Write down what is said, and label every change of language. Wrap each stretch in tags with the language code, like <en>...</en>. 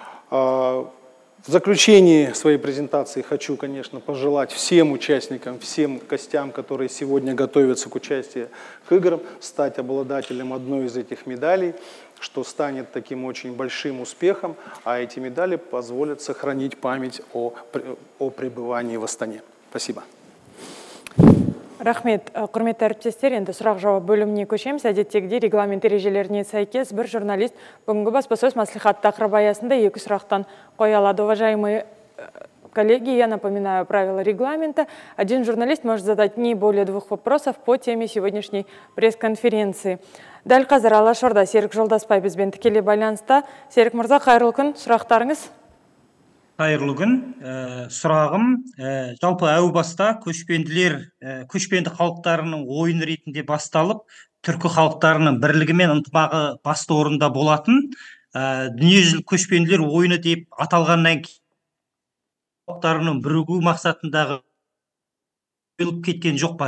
<ru>В заключении своей презентации хочу, конечно, пожелать всем участникам, всем гостям, которые сегодня готовятся к участию к играм, стать обладателем одной из этих медалей, что станет таким очень большим успехом, а эти медали позволят сохранить память о пребывании в Астане. Спасибо.</ru> <kk>Рахмет, құрметті әріптестер, енді сұрақ-жауап бөліміне көшеміз. Әдеттегідей регламент ережелеріне сәйкес бір журналист бүгінгі баспасөз мәслихат тақырыбы аясында екі сұрақтан қоя алады.</kk> <ru>Уважаемые коллеги, я напоминаю правила регламента. Один журналист может задать не более двух вопросов по теме сегодняшней пресс-конференции.</ru> <kk>Дәл қазір Алашорда Серік Жолдаспай бізбен тікелей байланыста. Серік мырза, қайырлы күн, сұрақтарыңыз? Қайырлы күн. Сұрағым, жалпы әу баста көшпенді халықтарының ойын ретінде басталып, түркі халықтарының бірлігімен ынтымағы басты орында болатын, дүниежүзілік көшпенділер ойыны деп аталғаннан кейін халықтарының бірігу мақсатындағы болып кеткен жоқ па?</kk>